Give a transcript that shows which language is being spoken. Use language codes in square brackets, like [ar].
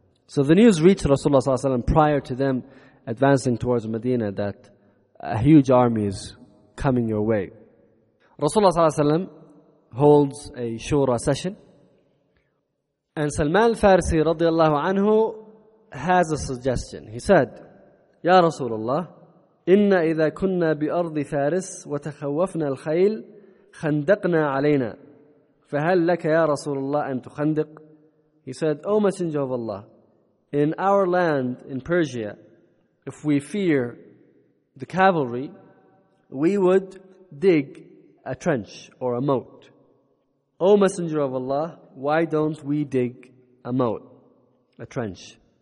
[en] So the news reached Rasulullah sallallahu alaihi wasallam prior to them advancing towards Medina that a huge army is coming your way. Rasulullah sallallahu alaihi wasallam holds a shura session. And Salman al-Farsi radiallahu anhu has a suggestion. He said, [ar] Ya Rasulullah, إن إذا كنا بأرض فارس وتخوفنا الخيل خندقنا علينا فهل لك يا رسول الله أن تخندق. [en] He said, O Messenger of Allah, in our land in Persia, if we fear the cavalry, we would dig a trench or a moat. O Messenger of Allah, why don't we dig a moat, a trench?